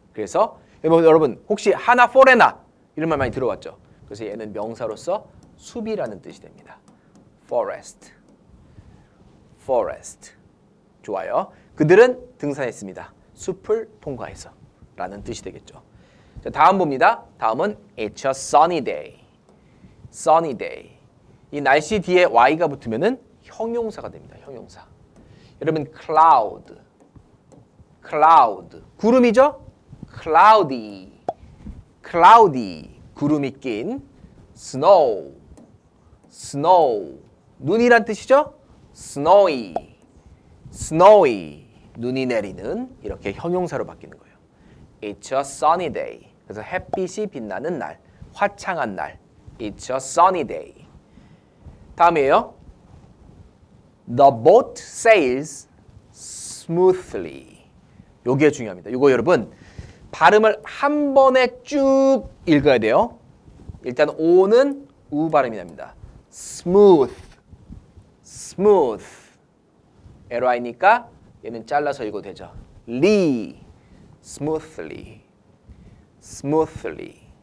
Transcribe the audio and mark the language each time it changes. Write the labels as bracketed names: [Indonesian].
[Korean] 그래서 여러분 혹시 하나 forena 이런 말 많이 들어왔죠? 그래서 얘는 명사로서 숲이라는 뜻이 됩니다. [English] Forest. Forest. 좋아요. [Korean] 그들은 등산했습니다. 숲을 통과해서 라는 뜻이 되겠죠. 자, 다음 봅니다. 다음은 [English] It's a sunny day. Sunny day. [Korean] 이 날씨 뒤에 Y가 붙으면은 형용사가 됩니다. 형용사. 여러분 cloud. Cloud. 구름이죠? Cloudy. Cloudy. 구름이 낀 snow. Snow. 눈이란 뜻이죠? Snowy. Snowy. 눈이 내리는 이렇게 형용사로 바뀌는 거예요. [English] It's a sunny day. [Korean] 그래서 햇빛이 빛나는 날, 화창한 날. [English] It's a sunny day. [Korean] 다음이에요. [English] The boat sails smoothly. [Korean] 요게 중요합니다. 요거 여러분 발음을 한 번에 쭉 읽어야 돼요. 일단 O는 우 발음이 납니다. [English] Smooth. Smooth. [Korean] L-I니까 얘는 잘라서 읽어도 되죠. [English] Li. Smoothly. Smoothly.